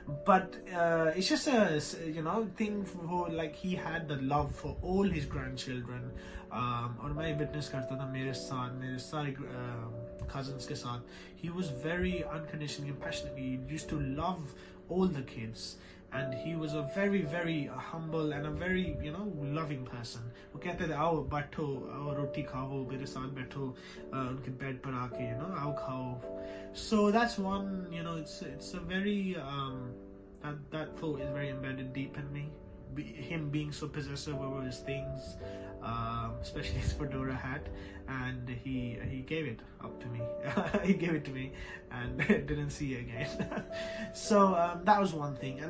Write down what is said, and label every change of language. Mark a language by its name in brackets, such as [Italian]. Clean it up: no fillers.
[English] But it's just you know thing for like he had the love for all his grandchildren. [Hindi] और मैं witness करता था मेरे साथ, मेरे सारे कजन्स के साथ. [English] He was very unconditionally passionate, he used to love all the kids. And he was a very, very humble and a very, you know, loving person. [Hindi] वो कहते थे आओ बैठो और रोटी खाओ मेरे साथ बैठो उनके बेड पर आके, you know, आओ खाओ. [English] So that's one, you know, it's a very that thought is very embedded deep in me. Him being so possessive over his things, especially his fedora hat, and he gave it up to me. He gave it to me and didn't see it again. So that was one thing.